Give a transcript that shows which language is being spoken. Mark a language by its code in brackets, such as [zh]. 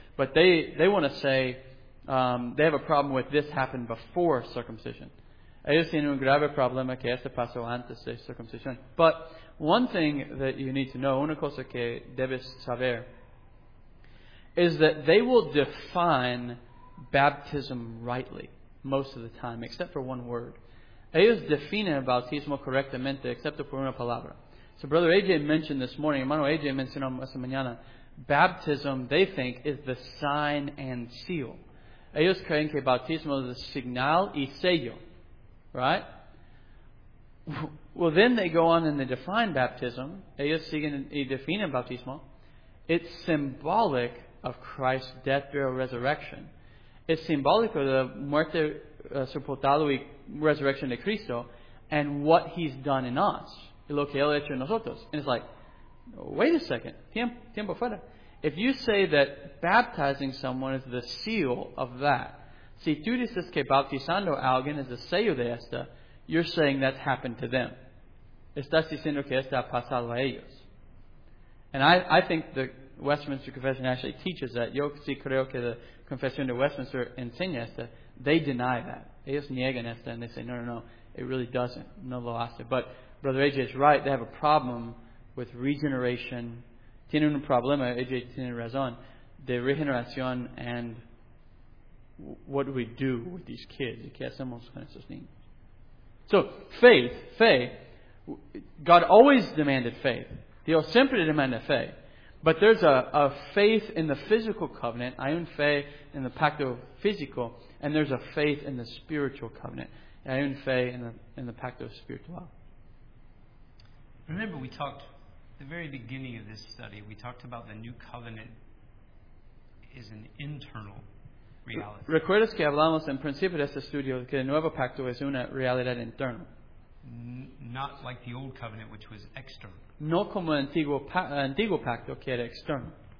[en] But they want to say they have a problem with this happened before circumcision. [es] Ellos tienen un grave problema que este pasó antes de circuncisión. [en] But one thing that you need to know, [es] una cosa que debes saber, [en] is that they will define baptism rightly most of the time, except for one word. [es] Ellos definen el bautismo correctamente, excepto por una palabra. [en] So Brother AJ mentioned this morning, [es] hermano AJ mencionó esta mañana, [en] baptism, they think, is the sign and seal. [es] Ellos creen que bautismo es el señal y sello. [en] Right? Well, then they go on and they define baptism. [es] Ellos siguen y definen bautismo. [en] It's symbolic of Christ's death, burial, resurrection. [es] Es simbólico de muerte, sepultado y resurrección de Cristo, [en] and what He's done in us, [es] y lo que Él ha hecho en nosotros. [en] And it's like, wait a second, [es] tiempo fuera. [en] If you say that baptizing someone is the seal of that, [es] si tú dices que bautizando a alguien es el sello de esta, [en] you're saying that's happened to them. [es] Estás diciendo que esta ha pasado a ellos. [en] And I think the Westminster Confession actually teaches that. [es] Yo sí creo que la Confesión de Westminster enseña esta. [en] They deny that. [es] Ellos niegan esta [en] and they say, no, it really doesn't. [es] No lo hace. [en] But Brother AJ is right. They have a problem with regeneration. [es] Tienen un problema, AJ tiene razón, de regeneración [en] and what do we do with these kids? [es] ¿Qué hacemos con estos niños? [en] So, faith. God always demanded faith. [es] Dios siempre demanda fe. [en] But there's a faith in the physical covenant. [es] Hay un fe [en] in the [es] pacto físico. [en] And there's a faith in the spiritual covenant. [es] Hay un fe [en] in the [es] pacto espiritual. [en] Remember, we talked at the very beginning of this study, we talked about the new covenant is an internal reality. [es] ¿Recuerdas que hablamos en principio de este estudio que el nuevo pacto es una realidad interna? [en] Not like the old covenant, which was external. [es] No como el antiguo pacto, que era externo.